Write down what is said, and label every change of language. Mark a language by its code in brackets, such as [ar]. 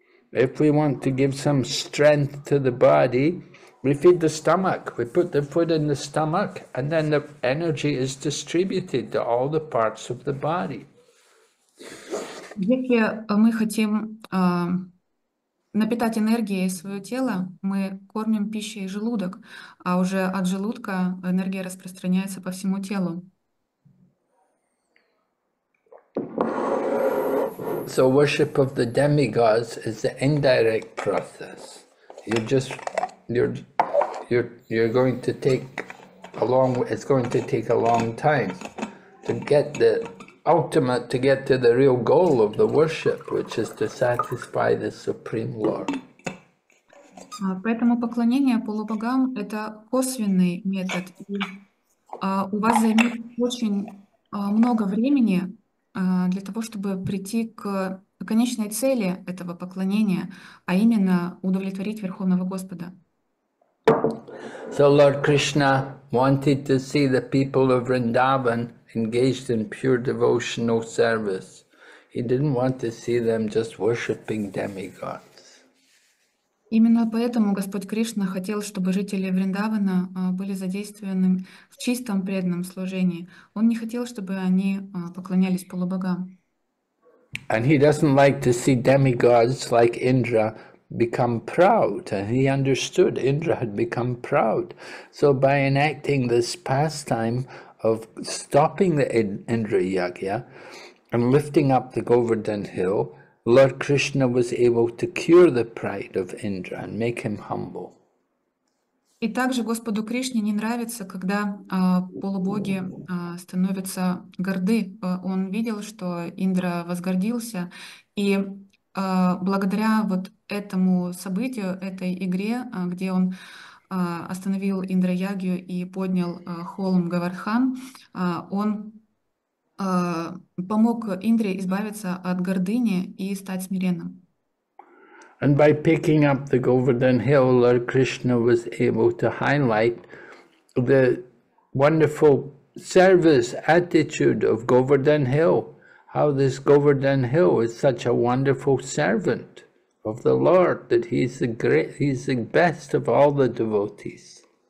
[en] If we want to give some strength to the body, we feed the stomach. We put the food in the stomach, and then the energy is distributed to all the parts of the body. [ru] Если мы хотим напитать энергией свое тело, мы кормим пищей желудок, а уже от желудка энергия распространяется по всему телу. [en] So worship of the demigods is the indirect process. It's going to take a long time to get the ultimate, to get to the real goal of the worship, which is to satisfy the Supreme Lord. [ru] Поэтому поклонение полубогам – это косвенный метод. У вас займет очень много времени для того, чтобы прийти к конечной цели этого поклонения, а именно удовлетворить Верховного Господа. [en] So Lord Krishna wanted to see the people of Vrindavan engaged in pure devotional service. He didn't want to see them just worshipping demigods. [ru] Именно поэтому Господь Кришна хотел, чтобы жители Вриндавана были задействованы в чистом преданном служении. Он не хотел, чтобы они поклонялись полубогам. [en] And he doesn't like to see demigods like Indra become proud. And he understood Indra had become proud. So by enacting this pastime of stopping the Indra Yagya and lifting up the Govardhan Hill, Lord Krishna was able to cure the pride of Indra and make him humble. [ru] И также Господу Кришне не нравится, когда полубоги становятся горды. Он видел, что Индра возгордился, и благодаря вот этому событию, этой игре, где он остановил Индра-Ягью и поднял холм Говардхан, он помог Индре избавиться от гордыни и стать смиренным. [en] And by picking up the Govardhan Hill, Lord Krishna was able to highlight the wonderful service attitude of Govardhan Hill, how this Govardhan Hill is such a wonderful servant of the Lord, that he's the best of all the devotees.